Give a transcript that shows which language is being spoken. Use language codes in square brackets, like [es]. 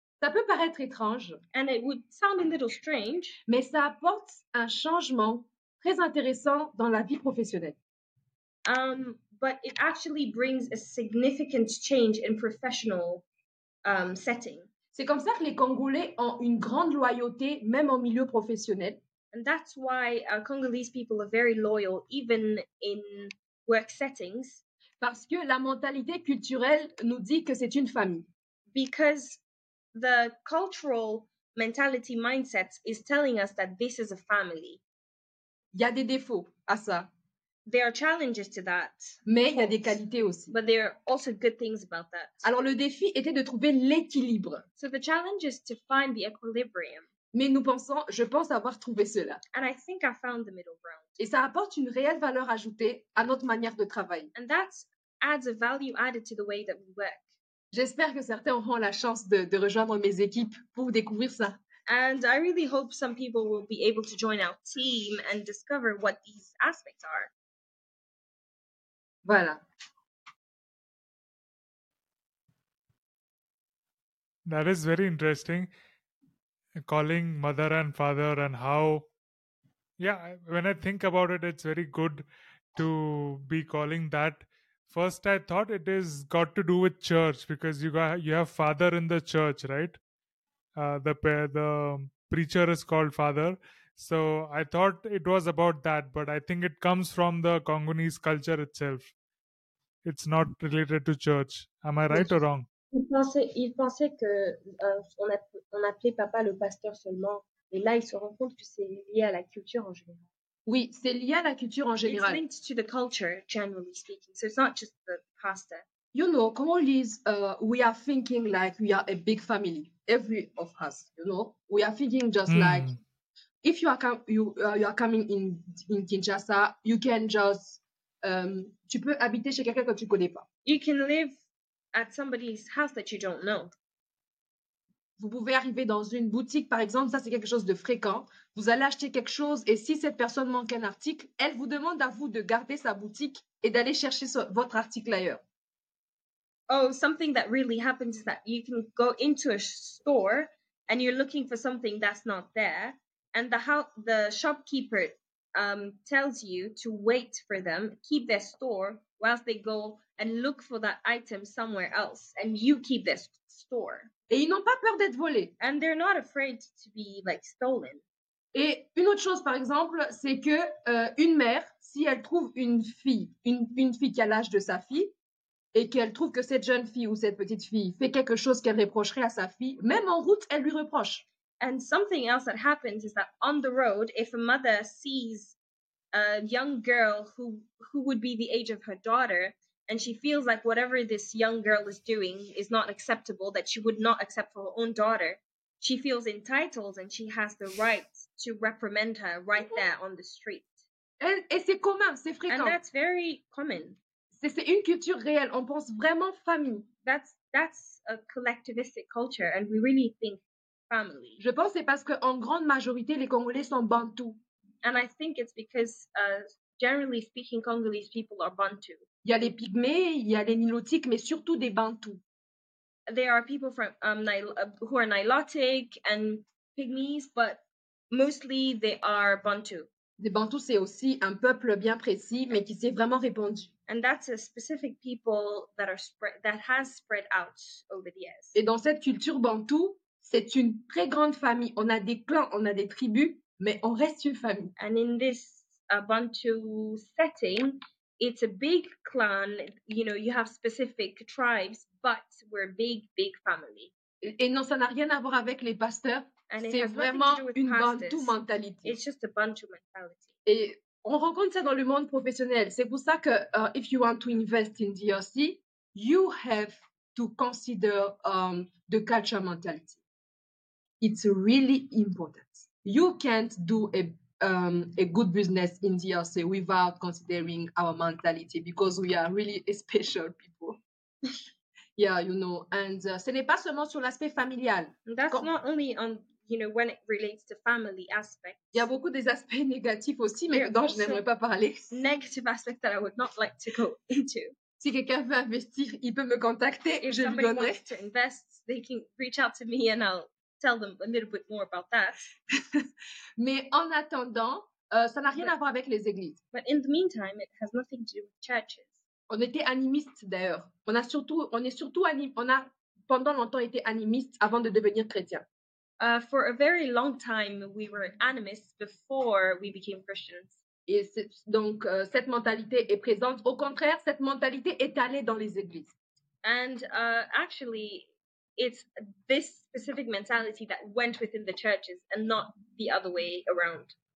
[fr] Ça peut paraître étrange. [en] And it would sound a little strange. [fr] Mais ça apporte un changement très intéressant dans la vie professionnelle. [en] But it actually brings a significant change in professional setting. [fr] C'est comme ça que les Congolais ont une grande loyauté, même en milieu professionnel. [en] And that's why Congolese people are very loyal, even in work settings. [fr] Parce que la mentalité culturelle nous dit que c'est une famille. [en] Because the cultural mentality mindset is telling us that this is a family. [fr] Il y a des défauts à ça. [en] There are challenges to that. [fr] Mais il y a des qualités aussi. [en] But there are also good things about that. [fr] Alors le défi était de trouver l'équilibre. [en] So the challenge is to find the equilibrium. [fr] Mais nous pensons, je pense avoir trouvé cela. [en] And I think I found the middle ground. [fr] Et ça apporte une réelle valeur ajoutée à notre manière de travailler. [en] And that adds a value added to the way that we work. [fr] J'espère que certains auront la chance de rejoindre mes équipes pour découvrir ça. [en] And I really hope some people will be able to join our team and discover what these aspects are. [fr] Voilà. [en] That is very interesting. Calling mother and father and how... Yeah, when I think about it, it's very good to be calling that. First, I thought it is got to do with church because you have father in the church, right? The preacher is called father. So I thought it was about that, but I think it comes from the Congolese culture itself. It's not related to church. Am I right or wrong? [fr] Il pensait que on appelait papa le pasteur seulement, et là il se rend compte que c'est lié à la culture en général. Oui, c'est lié à la culture en général. [en] It's linked to the culture, generally speaking. So it's not just the pastor. You know, Congolese, we are thinking like we are a big family, every of us. You know, we are thinking just like if you are coming in Kinshasa, you can just [fr] tu peux habiter chez quelqu'un que tu connais pas. [en] You can live at somebody's house that you don't know. [fr] Vous pouvez arriver dans une boutique, par exemple, ça c'est quelque chose de fréquent. Vous allez acheter quelque chose et si cette personne manque un article, elle vous demande à vous de garder sa boutique et d'aller chercher votre article ailleurs. [en] Oh, something that really happens is that you can go into a store and you're looking for something that's not there and the shopkeeper tells you to wait for them, keep their store whilst they go and look for that item somewhere else and you keep their store. [fr] Et ils n'ont pas peur d'être volés. [en] And they're not afraid to be like stolen. [fr] Et une autre chose, par exemple, c'est que une mère, si elle trouve une fille, une fille qui a l'âge de sa fille, et qu'elle trouve que cette jeune fille ou cette petite fille fait quelque chose qu'elle réprocherait à sa fille, même en route, elle lui reproche. [en] And something else that happens is that on the road, if a mother sees a young girl who would be the age of her daughter, and she feels like whatever this young girl is doing is not acceptable, that she would not accept for her own daughter, she feels entitled and she has the right to reprimand her right there on the street. [fr] Et c'est commun, c'est fréquent. [en] And that's very common. [fr] C'est une culture réelle, on pense vraiment famille. [en] That's a collectivistic culture and we really think family. [fr] Je pense que c'est parce qu'en grande majorité, les Congolais sont bantou. [en] And I think it's because, generally speaking, Congolese people are bantou. [fr] Il y a les pygmées, il y a les nilotiques, mais surtout des bantous. [en] There are people from who are nilotic and pygmies, but mostly they are bantou. [fr] Les bantous, c'est aussi un peuple bien précis, mais qui s'est vraiment répandu. [en] And that's a specific people that has spread out over the years. [fr] Et dans cette culture bantou, c'est une très grande famille. On a des clans, on a des tribus, mais on reste une famille. [en] And in this bantou setting, it's a big clan, you know, you have specific tribes, but we're a big, big family. [fr] Et non, ça n'a rien à voir avec les pasteurs. [en] And [fr] c'est vraiment une bantou mentalité. [en] It's just a bantou mentality. [fr] Et on rencontre ça dans le monde professionnel. C'est pour ça que, [en] if you want to invest in DRC, you have to consider the culture mentality. It's really important. You can't do a good business in DRC without considering our mentality because we are really a special people. Yeah, you know, and [fr] ce n'est pas seulement sur l'aspect familial. [en] That's not only on, you know, when it relates to family aspects. [fr] Il y a beaucoup des aspects négatifs aussi, mais dont je n'aimerais pas parler. [en] Negative aspects that I would not like to go into. [fr] Si quelqu'un veut investir, il peut me contacter et je lui donnerai. [en] If somebody wants to invest, they can reach out to me and I'll tell them a little bit more about that. [fr] Mais en attendant, ça n'a rien à voir avec les églises. [en] But in the meantime, it has nothing to do with churches. [fr] On était animistes d'ailleurs. On a pendant longtemps été animistes avant de devenir chrétiens. [en] For a very long time, we were animists before we became Christians. [fr] Et donc cette mentalité est présente. Au contraire, cette mentalité est allée dans les églises. [en] And actually, it's this specific mentality that went within the churches and not the other way around.